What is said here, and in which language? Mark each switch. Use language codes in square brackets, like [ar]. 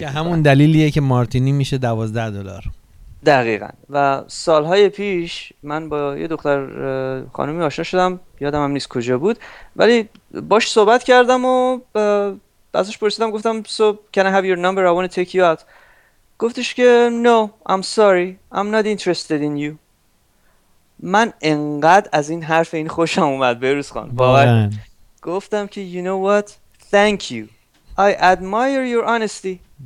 [fa] که همون دلیلیه که مارتینی میشه 12 دلار. دقیقا. و سالهای پیش من با یه دختر خانمی آشنا شدم، یادم هم نیست کجا بود، ولی باش صحبت کردم و ازش پرسیدم، گفتم [en] so can I have your number, I want to take you out. [fa] گفتش که [en] no, I'm sorry, I'm not interested in you. [fa] من انقدر از این حرف این خوشم اومد بهروز خان، باور. گفتم که [en] you know what, thank you, I admire your honesty.